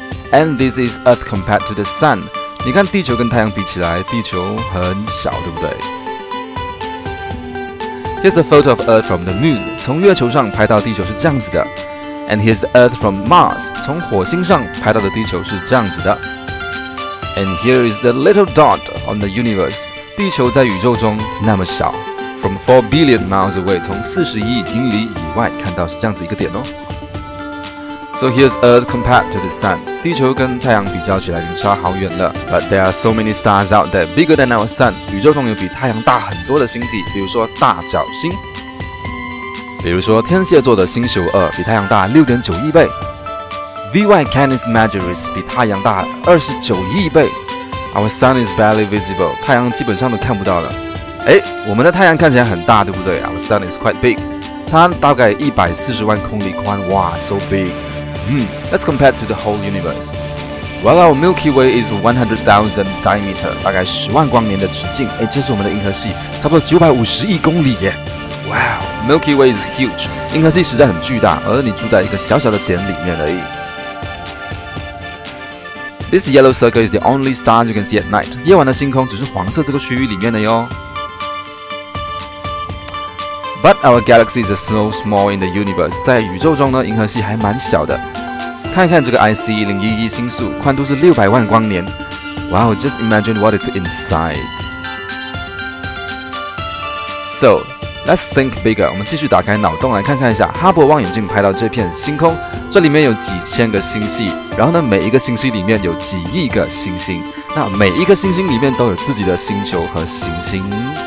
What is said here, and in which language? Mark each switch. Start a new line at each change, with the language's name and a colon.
English: And this is Earth compared to the Sun.
Chinese: 你看地球跟太阳比起来，地球很小，对不对？
English: Here's a photo of Earth from the Moon.
Chinese: 从月球上拍到地球是这样子的。
English: And here's the Earth from Mars.
Chinese: 从火星上拍到的地球是这样子的。
English: And here is the little dot on the universe.
Chinese: 地球在宇宙中那么小。
English: From 4 billion miles away,
Chinese: 从41亿英里以外看到是这样子一个点哦。
English: So here's Earth compared to the Sun.
Chinese: 地球跟太阳比较起来已经差好远了。
English: But there are so many stars out there bigger than our Sun.
Chinese: 宇宙中有比太阳大很多的星体，比如说大角星。比如说天蝎座的星宿二比太阳大 6.9 亿倍 VY Canis Majoris 比太阳大29亿倍
English: Our sun is barely visible
Chinese: 太阳基本上都看不到了诶我们的太阳看起来很大对不对
English: Our sun is quite big
Chinese: 它大概140万公里宽哇
English: so big Let's compare to the whole universe Well our Milky Way is 100,000 diameter
Chinese: 大概10万光年的直径诶这是我们的银河系差不多950亿公里耶
English: Wow, Milky Way is huge.
Chinese: 银河系实在很巨大，而你住在一个小小的点里面而已。
English: This yellow circle is the only star you can see at night.
Chinese: 夜晚的星空只是黄色这个区域里面的哟。
English: But our galaxy is so small in the universe.
Chinese: 在宇宙中呢，银河系还蛮小的。看一看这个 IC1011 星宿，宽度是600万光年。
English: Wow, just imagine what is inside. So. Let's think bigger.
Chinese: 我们继续打开脑洞来看看一下哈勃望远镜拍到这片星空，这里面有几千个星系，然后呢，每一个星系里面有几亿个星星，那每一个星星里面都有自己的星球和行星。